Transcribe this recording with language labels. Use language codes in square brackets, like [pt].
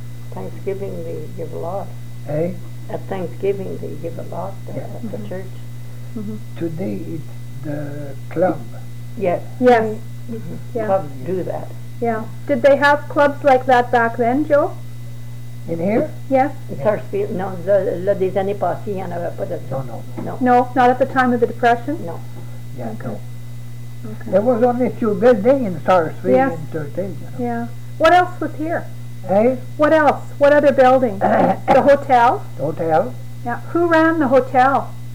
[en] Thanksgiving, they give a lot. Eh? At Thanksgiving, they give a lot at the church. Today, it's the club. Yes. Yes. Clubs do that. Yeah. Did they have clubs like that back then, Joe? In here? Yes. In Sarsfield? [fr] No, le des années passées, il y en avait pas de ça. [en] No, no, no. No, not at the time of the Depression? No. Yeah, okay. No. Okay. There was only two buildings in Sarsfield in 13, you know. Yeah. What else was here? Eh? What else? What other building? The hotel? The hotel. Yeah. Who ran the hotel?